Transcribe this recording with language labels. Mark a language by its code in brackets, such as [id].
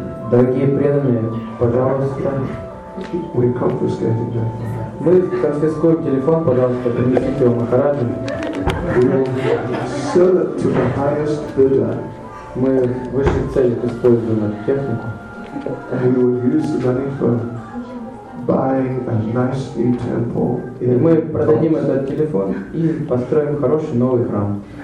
[ru] Дорогие преданные, пожалуйста. [en] We confiscated that. [ru] Мы конфискуем телефон, пожалуйста, принесите его Махараджу. [en] We will sell it to the highest bidder. [ru] Мы в высшей цели используем эту технику. [en] And we will use the money for buying a nice new temple. [ru] И мы продадим этот телефон и построим хороший новый храм.